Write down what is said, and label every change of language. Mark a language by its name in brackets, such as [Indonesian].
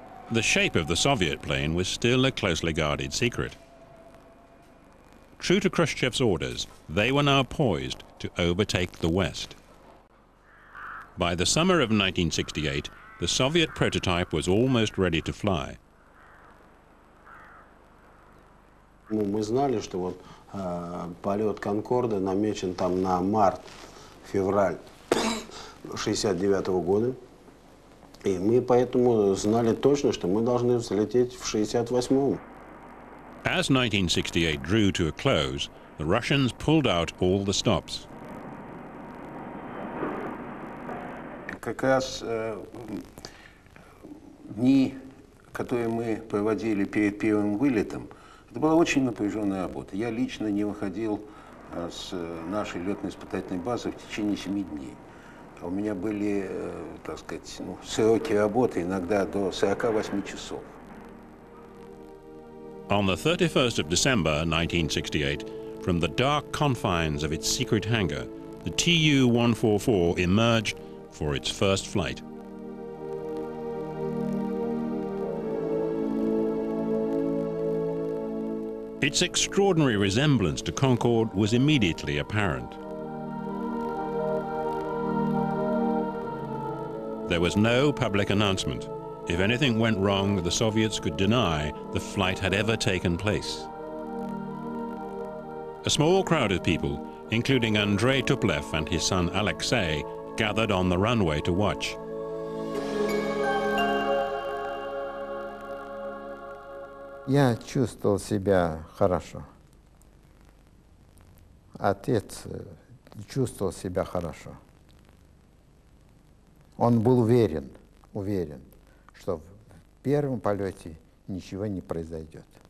[English] The shape of the Soviet plane was still a closely guarded secret. True to Khrushchev's orders, they were now poised to overtake the West. By the summer of 1968, the Soviet prototype was almost ready to fly. [Russian] Ну, мы знали, что вот полет Конкорда намечен там на март-февраль 69 года. И мы поэтому знали точно, что мы должны взлететь в 68-м. [English] As 1968 drew to a close, the Russians pulled out all the stops. [Russian] Как раз дни, которые мы проводили перед первым вылетом, это была очень напряженная работа. Я лично не выходил с нашей летно-испытательной базы в течение 7 дней. У меня были, так сказать, ну, сроки работы иногда до 48 часов. [English] On the 31st of December 1968, from the dark confines of its secret hangar, the Tu-144 emerged for its first flight. Its extraordinary resemblance to Concorde was immediately apparent. There was no public announcement. If anything went wrong, the Soviets could deny the flight had ever taken place. A small crowd of people, including Andrei Tuplev and his son Alexei, gathered on the runway to watch. [Russian] Я чувствовал себя хорошо. Отец чувствовал себя хорошо. Он был уверен, что в первом полете ничего не произойдет.